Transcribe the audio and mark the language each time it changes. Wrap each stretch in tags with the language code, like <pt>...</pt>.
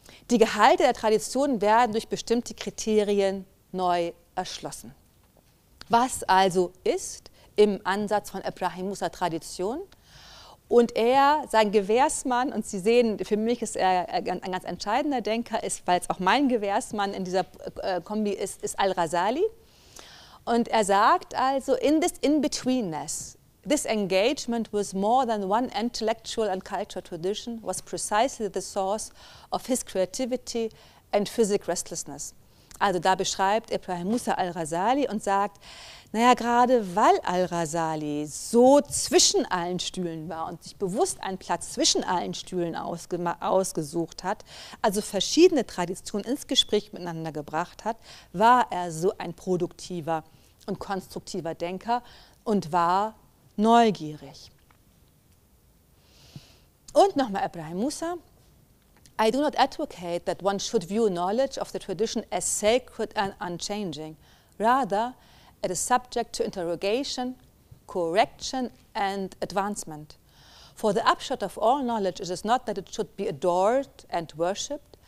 <de>Die Gehalte der Tradition werden durch bestimmte Kriterien neu erschlossen. Was also ist im Ansatz von Ibrahim Musa Tradition? Und er, sein Gewährsmann, und Sie sehen, für mich ist er ein ganz entscheidender Denker, ist, weil es auch mein Gewährsmann in dieser Kombi ist, ist Al-Ghazali. Und er sagt also,</de> <en>in this in-betweenness, this engagement with more than one intellectual and cultural tradition was precisely the source of his creativity and physical restlessness.</en> <de>Also da beschreibt Ibrahim Musa Al-Ghazali und sagt, naja, gerade weil Al-Ghazali so zwischen allen Stühlen war und sich bewusst einen Platz zwischen allen Stühlen ausgesucht hat, also verschiedene Traditionen ins Gespräch miteinander gebracht hat, war er so ein produktiver und konstruktiver Denker und war neugierig. Und nochmal Ibrahim Musa.</de> <en>I do not advocate that one should view knowledge of the tradition as sacred and unchanging. Rather, it is subject to interrogation, correction and advancement. For the upshot of all knowledge, it is not that it should be adored and worshipped,</en>